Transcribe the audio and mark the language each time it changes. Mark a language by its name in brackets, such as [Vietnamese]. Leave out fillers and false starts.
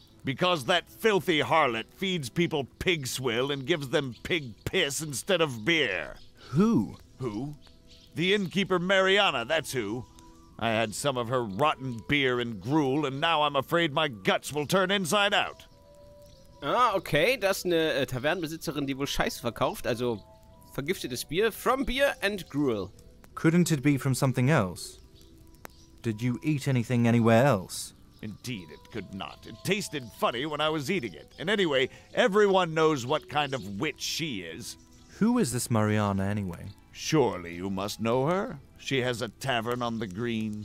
[English] Because that filthy harlot feeds people pig swill and gives them pig piss instead of beer. Who? Who? The innkeeper Mariana, that's who. I had some of her rotten beer and gruel, and now I'm afraid my guts will turn inside out. [German] Ah, okay, das ist eine Tavernenbesitzerin, die wohl Scheiße verkauft, also vergiftetes Bier, [English] from beer and gruel. Couldn't it be from something else? Did you eat anything anywhere else? Indeed, it could not. It tasted funny when I was eating it. And anyway, everyone knows what kind of witch she is. Who is this Mariana, anyway? Surely you must know her. She has a tavern on the green.